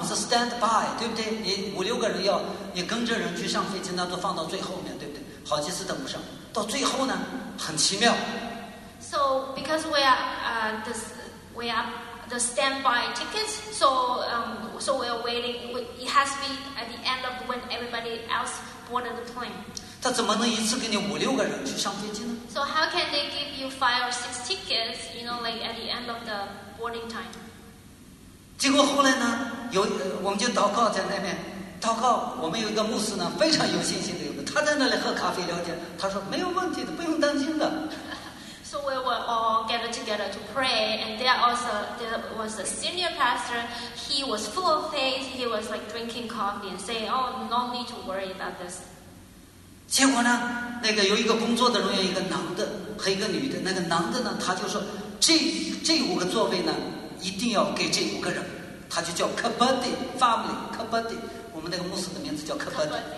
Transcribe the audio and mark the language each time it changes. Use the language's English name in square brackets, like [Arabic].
[Chinese] 我们是 stand by， 对不对？你五六个人要你跟着人去上飞机，那都放到最后面，对不对？好几次等不上，到最后呢，很奇妙。 [English] So because we are the standby tickets, so we are waiting. It has been at the end of when everybody else boarded the plane. [Chinese] 他怎么能一次给你五六个人去上飞机呢 [English] ？So how can they give you five or six tickets? You know, like at the end of the boarding time. [Chinese] 结果后来呢，我们就祷告在那边祷告。我们有一个牧师呢，非常有信心的，他在那里喝咖啡聊天。他说没有问题的，不用担心的。 [English] So we were all gathered together to pray, and there was a senior pastor. He was full of faith. He was like drinking coffee and saying, "Oh, no need to worry about this." [Chinese] 结果呢，那个有一个工作的人员，一个男的和一个女的。那个男的呢，他就说这五个座位呢。一定要给这五个人，他就叫 Kabaddi Family Kabaddi， 我们那个牧师的名字叫 Kabaddi。